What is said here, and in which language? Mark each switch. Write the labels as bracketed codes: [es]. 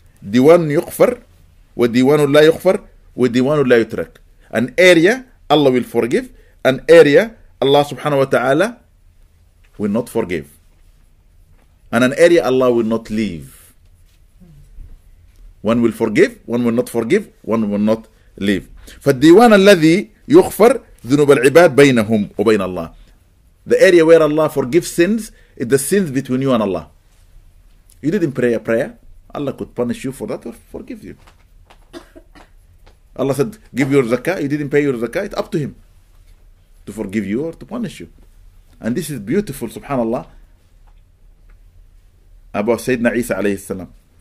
[ar] Diwan yukfar, wa diwan la yukfar, wa diwan la yutrak. [en] An area Allah will forgive, an area Allah subhanahu wa ta'ala will not forgive. And an area Allah will not leave. One will forgive, one will not forgive, one will not leave. [ar] فالديوان الذي يغفر ذنوب العباد بينهم وبين الله. [en] The area where Allah forgives sins is the sins between you and Allah. You didn't pray a prayer. Allah could punish you for that or forgive you. Allah said, give your zakah. You didn't pay your zakah. It's up to him to forgive you or to punish you. And this is beautiful, subhanAllah, about Sayyidina Isa alayhi salam.